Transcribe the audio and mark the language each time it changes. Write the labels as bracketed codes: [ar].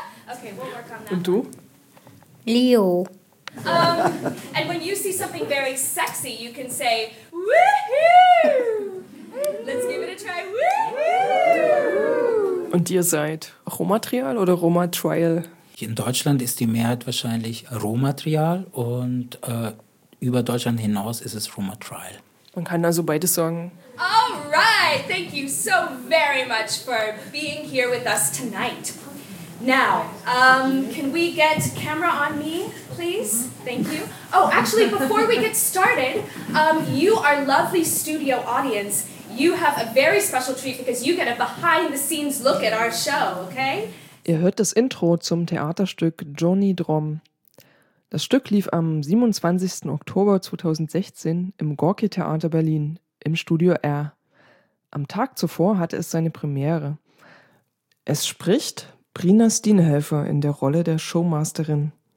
[en] Okay, we'll work on that. [de] Und du? Leo. [en] And when you see something very sexy, you can say, woohoo! Let's give it a try, woohoo! [de] Und ihr seid Roma-Trial oder Roma-Trial? In Deutschland ist die Mehrheit wahrscheinlich Roma-Trial und über Deutschland hinaus ist es Roma-Trial. Man kann also beides sagen. [en] All right, thank you so very much for being here with us tonight. Now, can we get camera on me, please? Thank you. Oh, actually, before we get started, you are lovely studio audience. You have a very special treat because you get a behind-the-scenes look at our show, okay? [de] Ihr hört das Intro zum Theaterstück Johnny Drom. Das Stück lief am 27. Oktober 2016 im Gorki-Theater Berlin im Studio R. Am Tag zuvor hatte es seine Premiere. Es spricht Brina Steenhelfer in der Rolle der Showmasterin.